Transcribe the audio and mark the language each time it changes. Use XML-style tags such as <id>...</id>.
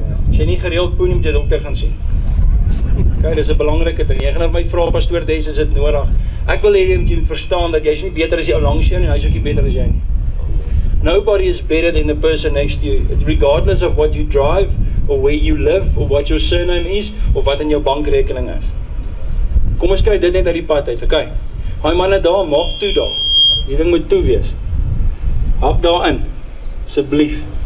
<af>As jy nie gereeld poe nie, moet jy dokter gaan sien. OK, dis 'n belangrike ding. Jy gaan nou my vra, pastoor Des, is dit nodig? Ek wil hierdie moet verstaan dat jy is nie beter as jy ou langs jou nie, hy is ook nie beter as jy nie.</af> <en>Nobody is better than the person next to you, regardless of what you drive, or where you live, or what your surname is,</en> <af>of wat in jou bankrekening is. Kom ons kry dit net uit die pad uit, okay? Hy manne daar, maak toe daar. Die ding moet toe wees. Hap daar in, asseblief.</af>